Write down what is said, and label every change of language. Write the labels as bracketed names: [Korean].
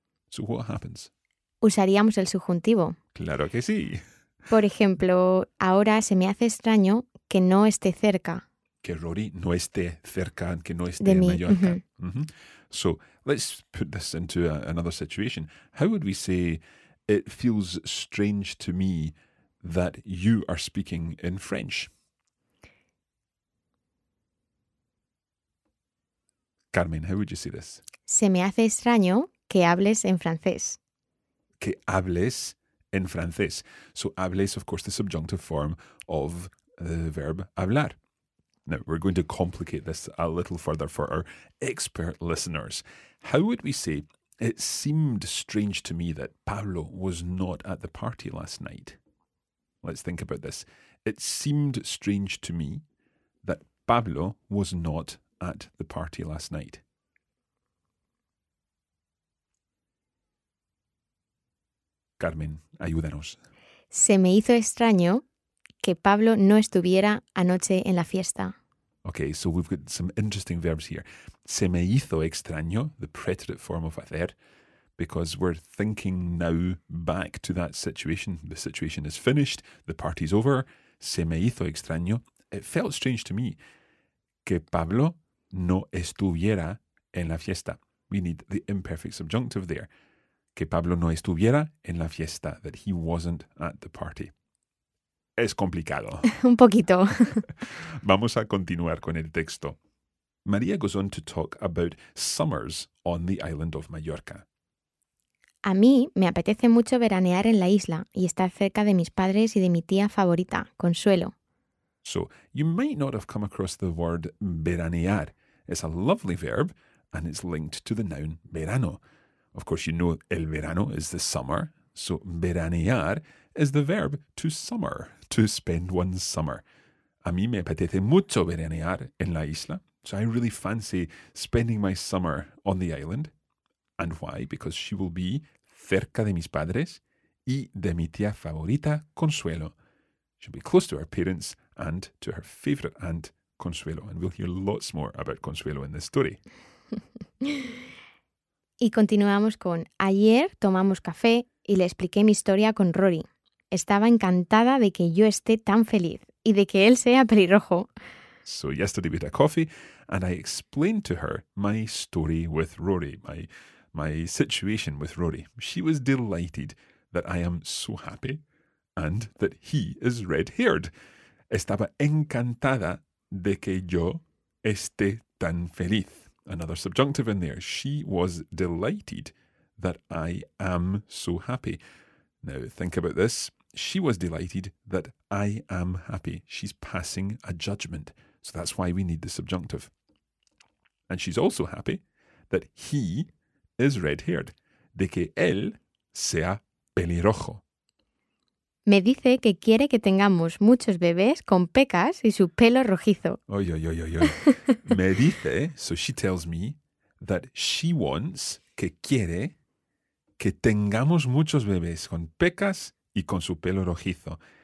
[English] So what happens? [Spanish] Usaríamos el subjuntivo. Claro que sí. Por ejemplo, ahora se me hace extraño que no esté cerca. Que Rory no esté cerca, que no esté en Mallorca. Mm-hmm. Mm-hmm. [English] So, let's put this into another situation. How would we say, it feels strange to me that you are speaking in French? Carmen, how would you say this? [Spanish] Se me hace extraño que hables en francés. Que hables en francés. [English] So, hables, of course, the subjunctive form of the verb hablar. Now, we're going to complicate this a little further for our expert listeners. How would we say, it seemed strange to me that Pablo was not at the party last night? Let's think about this. It seemed strange to me that Pablo was not at the party last night. [Spanish] Carmen, ayúdanos. Se me hizo extraño que Pablo no estuviera anoche en la fiesta. [English] Okay, so we've got some interesting verbs here. [Spanish] Se me hizo extraño, [English] the preterite form of hacer, because we're thinking now back to that situation. The situation is finished, the party's over. [Spanish] Se me hizo extraño. [English] It felt strange to me [Spanish] que Pablo no estuviera en la fiesta. [English] We need the imperfect subjunctive there. [Spanish] Que Pablo no estuviera en la fiesta, [English] that he wasn't at the party. [Spanish] Es complicado. Un poquito. Vamos a continuar con el texto. [English] María goes on to talk about summers on the island of Mallorca. [Spanish] A mí me apetece mucho veranear en la isla y estar cerca de mis padres y de mi tía favorita, Consuelo. [English] So, you might not have come across the word veranear. It's a lovely verb and it's linked to the noun verano. Of course, you know el verano is the summer, so veranear is the verb to summer, to spend one summer. [Spanish] A mí me apetece mucho veranear en la isla, [English] so I really fancy spending my summer on the island. And why? Because she will be [Spanish] cerca de mis padres y de mi tía favorita, [English] Consuelo. She'll be close to her parents and to her favorite aunt, Consuelo. And we'll hear lots more about Consuelo in this story. [Spanish] Y continuamos con, ayer tomamos café y le expliqué mi historia con Rory. Estaba encantada de que yo esté tan feliz y de que él sea pelirrojo. [English] So yesterday we had a coffee and I explained to her my story with Rory, my situation with Rory. She was delighted that I am so happy and that he is red-haired. [Spanish] Estaba encantada de que yo esté tan feliz. [English] Another subjunctive in there. She was delighted that I am so happy. Now, think about this. She was delighted that I am happy. She's passing a judgment. So that's why we need the subjunctive. And she's also happy that he is red-haired. [Spanish] De que él sea pelirrojo. Me dice que quiere que tengamos muchos bebés con pecas y su pelo rojizo. Oy, oy, oy, oy, oy. Me dice, [English] so she tells me, that she wants, [Spanish] que quiere, que tengamos muchos bebés con pecas y con su pelo rojizo.